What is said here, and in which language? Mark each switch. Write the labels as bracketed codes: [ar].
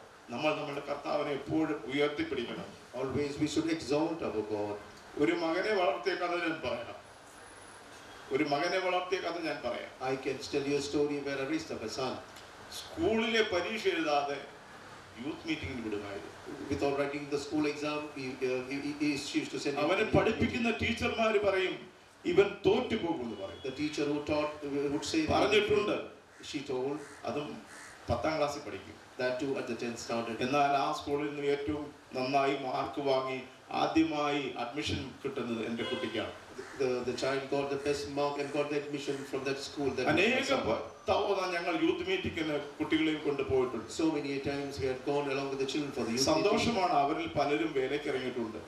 [ml] നമ്മൾ നമ്മുടെ കർത്താവിനെ എപ്പോഴും ഉയർത്തിപ്പിടിക്കണം [en] Always we should exalt our God. [ml] ഒരു മകനെ വളർത്തിയ കഥ ഞാൻ പറയാം ഒരു മകനെ വളർത്തിയ കഥ ഞാൻ പറയാം [en] I can tell you a story where I raised up a son. [ml] സ്കൂളിലെ പരീക്ഷ എഴുതാതെ യൂത്ത് മീറ്റിംഗിൽ വിടുമായിരുന്നു [en] without writing the school exam [ml] അവനെ പഠിപ്പിക്കുന്ന ടീച്ചർമാർ പറയും ഇവൻ തോറ്റു പോകും പറഞ്ഞിട്ടുണ്ട് [en] she told [ml] അതും പത്താം ക്ലാസ്സിൽ പഠിക്കും [en] that too at the 10th standard [ml] എന്നാൽ ആ സ്കൂളിൽ നിന്ന് ഏറ്റവും നന്നായി മാർക്ക് വാങ്ങി ആദ്യമായി അഡ്മിഷൻ കിട്ടുന്നത് എന്റെ കുട്ടിക്കാണ് [en] the child got the best mark and got the admission from that school that [ml] അനേകം തവണ ഞങ്ങൾ യൂത്ത് മീറ്റിംഗിന് കുട്ടികളെ കൊണ്ടുപോയിട്ടുണ്ട് [en] so many times we had gone along with the children for the youth [ml] സന്തോഷമാണ് അവരിൽ പലരും വേലയ്ക്ക് ഇറങ്ങിയിട്ടുണ്ട്